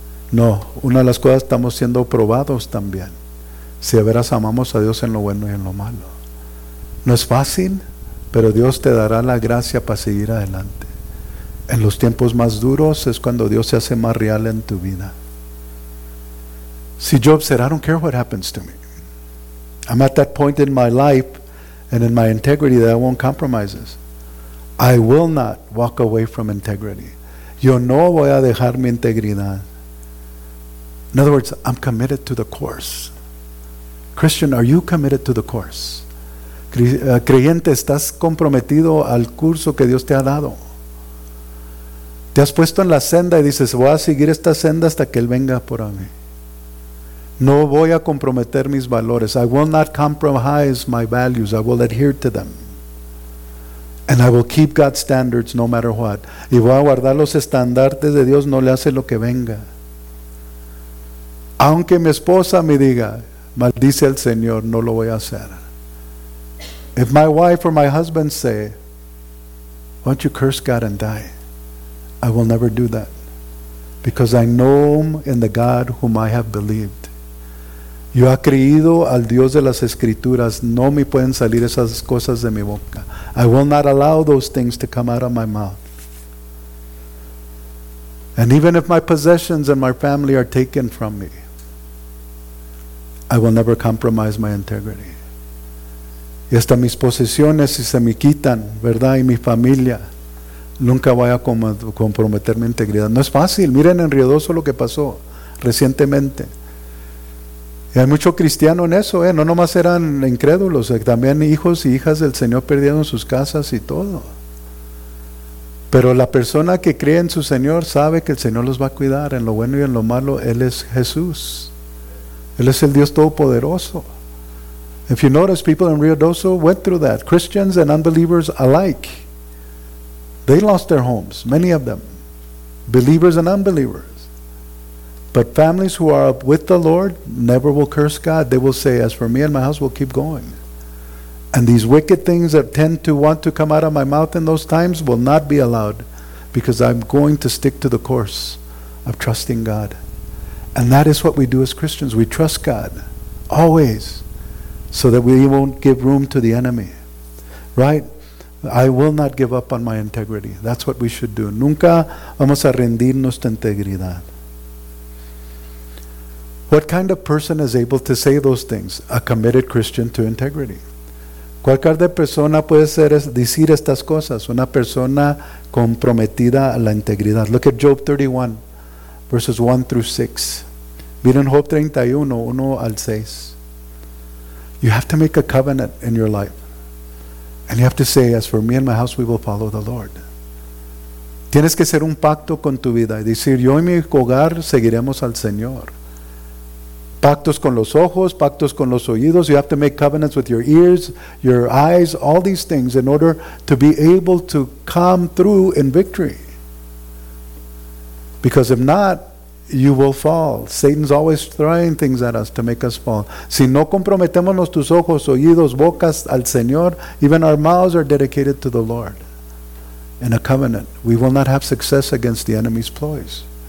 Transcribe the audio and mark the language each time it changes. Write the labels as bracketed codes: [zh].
[es] No, una de las cosas, estamos siendo probados también. Si de veras amamos a Dios en lo bueno y en lo malo. No es fácil, pero Dios te dará la gracia para seguir adelante. En los tiempos más duros es cuando Dios se hace más real en tu vida. [en] See, Job said, I don't care what happens to me. I'm at that point in my life and in my integrity that I won't compromise this. I will not walk away from integrity. [es] Yo no voy a dejar mi integridad. [en] In other words, I'm committed to the course. Christian, are you committed to the course? [es] Creyente, ¿estás comprometido al curso que Dios te ha dado? Te has puesto en la senda y dices, voy a seguir esta senda hasta que Él venga por mí. No voy a comprometer mis valores. [en] I will not compromise my values. I will adhere to them. And I will keep God's standards no matter what. [es] Y voy a guardar los estandartes de Dios, no le hace lo que venga. Aunque mi esposa me diga, maldice al Señor, no lo voy a hacer. [en] If my wife or my husband say, why don't you curse God and die? I will never do that. Because I know in the God whom I have believed. [es] Yo he creído al Dios de las Escrituras. No me pueden salir esas cosas de mi boca. [en] I will not allow those things to come out of my mouth. And even if my possessions and my family are taken from me, I will never compromise my integrity. [es] Y hasta mis posesiones, si se me quitan, ¿verdad? Y mi familia, nunca voy a comprometer mi integridad. No es fácil. Miren en Río Doso lo que pasó recientemente. Y hay mucho cristiano en eso, ¿eh? No nomás eran incrédulos, también hijos y hijas del Señor perdieron sus casas y todo. Pero la persona que cree en su Señor sabe que el Señor los va a cuidar en lo bueno y en lo malo. Él es Jesús. Él es el Dios Todopoderoso. [en] If you notice, people in Rio Doso went through that. Christians and unbelievers alike. They lost their homes, many of them. Believers and unbelievers. But families who are up with the Lord never will curse God. They will say, as for me and my house, we'll keep going. And these wicked things that tend to want to come out of my mouth in those times will not be allowed, because I'm going to stick to the course of trusting God. And that is what we do as Christians. We trust God, always, so that we won't give room to the enemy. Right? I will not give up on my integrity. That's what we should do. [es] Nunca vamos a rendir nuestra integridad. [en] What kind of person is able to say those things? A committed Christian to integrity. [es] ¿Cuál tipo de persona puede ser decir estas cosas? Una persona comprometida a la integridad. [en] Look at Job 31, verses 1 through 6. [es] Miren Job 31, 1 al 6. [en] You have to make a covenant in your life. And you have to say, as for me and my house, we will follow the Lord. [es] Tienes que hacer un pacto con tu vida y decir, yo y mi hogar seguiremos al Señor. Pactos con los ojos, pactos con los oídos. [en] You have to make covenants with your ears, your eyes, all these things in order to be able to come through in victory. Because if not, you will fall. Satan's always throwing things at us to make us fall. [es] Si no comprometemos nuestros ojos, oídos, bocas al Señor, [en] even our mouths are dedicated to the Lord in a covenant, we will not have success against the enemy's ploys.